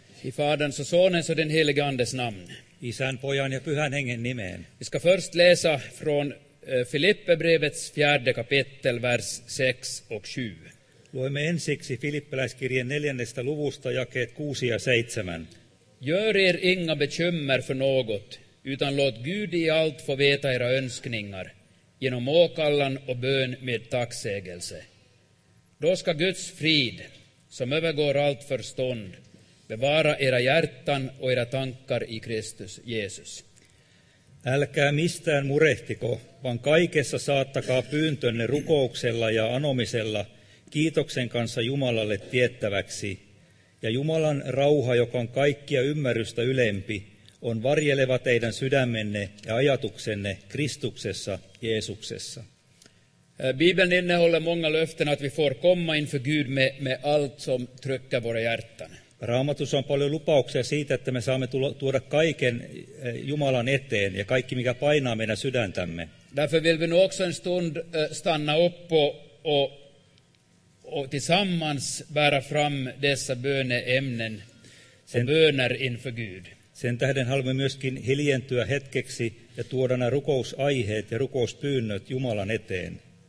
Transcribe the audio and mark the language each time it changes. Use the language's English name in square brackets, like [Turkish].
[Swedish] I Faderns och Sonens och den helige Andes namn. [Finnish] Isän, Pojan ja Pyhän Hengen nimeen. [Swedish] Vi ska först läsa från Filipperbrevets fjärde kapitel, vers 6 och 7. [Finnish] Luemme ensiksi Filippeläiskirjeen neljännestä luvusta jakeet 6 ja 7. [Swedish] Gör er inga bekymmer för något, utan låt Gud i allt få veta era önskningar, genom åkallan och bön med tacksägelse. Då ska Guds frid, som övergår allt förstånd, bevara era hjärtan och era tankar i Kristus Jesus. [Finnish] Älkää mistään murehtiko, vaan kaikessa saattakaa pyyntönne rukouksella ja anomisella kiitoksen kanssa Jumalalle tiettäväksi. Ja Jumalan rauha, joka on kaikkia ymmärrystä ylempi, on varjeleva teidän sydämenne ja ajatuksenne Kristuksessa Jeesuksessa. [Swedish] Bibeln innehåller många löften att vi får komma inför Gud med allt som trycker våra hjärtan. [Finnish] Raamatussa on paljon lupauksia siitä, että me saamme tuoda kaiken Jumalan eteen ja kaikki, mikä painaa meidän sydäntämme. [Swedish] Därför vill vi nu också en stund stanna upp och tillsammans bära fram dessa böneämnen och böner inför Gud. [Finnish] Sen tähden haluamme myöskin hiljentyä hetkeksi ja tuoda nämä rukousaiheet ja rukouspyynnöt Jumalan eteen.